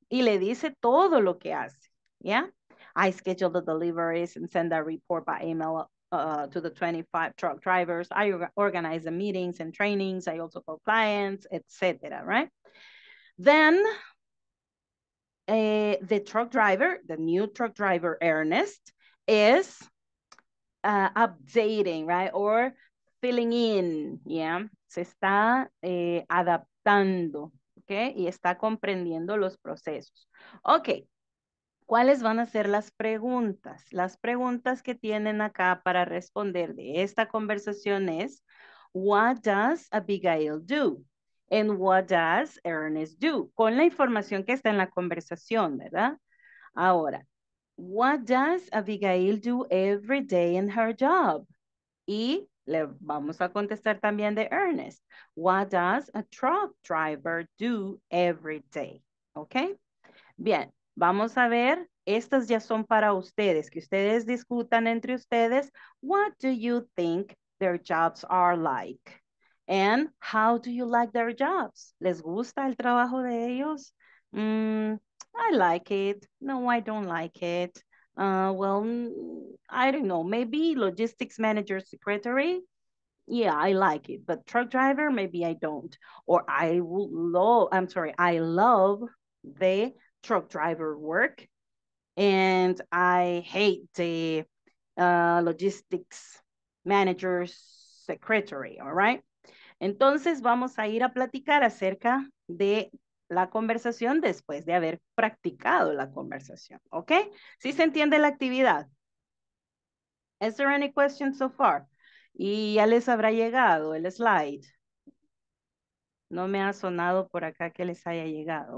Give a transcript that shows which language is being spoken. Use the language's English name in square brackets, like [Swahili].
[Spanish] Y le dice todo lo que hace, ¿ya? [English] Yeah? I schedule the deliveries and send a report by email to the 25 truck drivers. I organize the meetings and trainings. I also call clients, etc., right? Then, the truck driver, the new truck driver, Ernest, is updating, right? Or filling in, yeah? [Spanish] Se está adaptando, [English] okay? [Spanish] Y está comprendiendo los procesos. Okay, ¿cuáles van a ser las preguntas? Las preguntas que tienen acá para responder de esta conversación es, [English] what does Abigail do? And what does Ernest do? [Spanish] Con la información que está en la conversación, ¿verdad? [English] Ahora, what does Abigail do every day in her job? [Spanish] Y le vamos a contestar también de Ernest. [English] What does a truck driver do every day? [Spanish] ¿Ok? Bien, vamos a ver. Estas ya son para ustedes, que ustedes discutan entre ustedes. [English] What do you think their jobs are like? And how do you like their jobs? [Spanish] ¿Les gusta el trabajo de ellos? [English] I like it. No, I don't like it. Well, I don't know. Maybe logistics manager secretary. Yeah, I like it. But truck driver, maybe I don't. Or I will love, I'm sorry, I love the truck driver work. And I hate the logistics manager's secretary, all right? [Spanish] Entonces vamos a ir a platicar acerca de la conversación después de haber practicado la conversación, ¿ok? ¿Sí se entiende la actividad? [English] Is there any questions so far? [Spanish] Y ya les habrá llegado el slide. No me ha sonado por acá que les haya llegado.